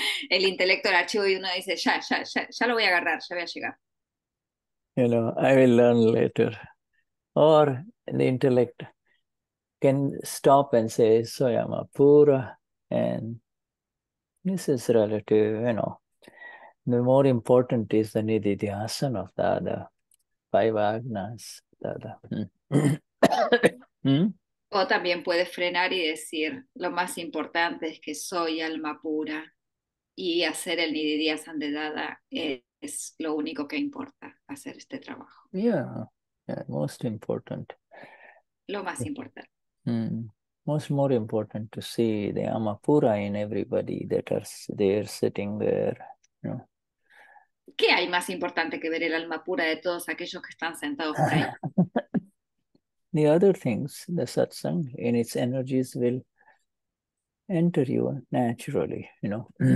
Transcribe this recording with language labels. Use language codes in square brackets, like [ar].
[es] El intelecto del archivo y uno dice, ya, ya, ya, ya lo voy a agarrar, ya voy a llegar. [en] You know, I will learn later. Or the intellect can stop and say, [es] soyama pura, [en] and this is relative, you know. The more important is the nididhyasan of Dada, five agnas, Dada. [es] O también puede frenar y decir, lo más importante es que soy alma pura, y hacer el nididhyasan de Dada es lo único que importa, hacer este trabajo. [en] Yeah. Yeah, most important. [es] Lo más importante. [en] Most more important to see the amapura in everybody that are there sitting there. You know. [es] ¿Qué hay más importante que ver el alma pura de todos aquellos que están sentados por ahí? [en] The other things, the satsang in its energies will enter you naturally, you know.